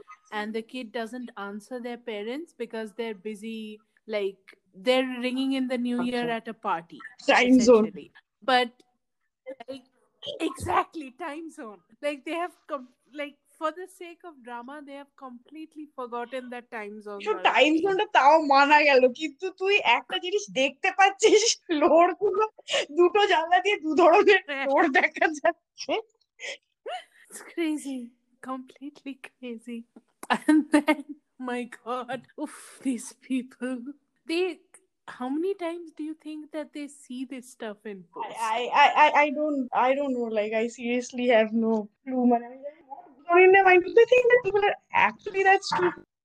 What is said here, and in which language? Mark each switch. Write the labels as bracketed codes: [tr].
[en] And the kid doesn't answer their parents because they're busy, like they're ringing in the new year at a party, Time zone. essentially. But like, exactly, time zone. Like they have like for the sake of drama, they have completely forgotten that time zone. [bn] তো time জোনটা তাও মানা গেল, কিন্তু তুই একটা জিনিস দেখতে পাচ্ছিস, লোড গুলো দুটো জানলা দিয়ে দু ধরনের লোড দেখা যাচ্ছে। [en] It's crazy, completely crazy. And then, my God, oof, these people. How many times do you think that they see this stuff in post? I don't know. Like, I seriously have no clue. Man, what in their mind do they think that people are actually that stupid?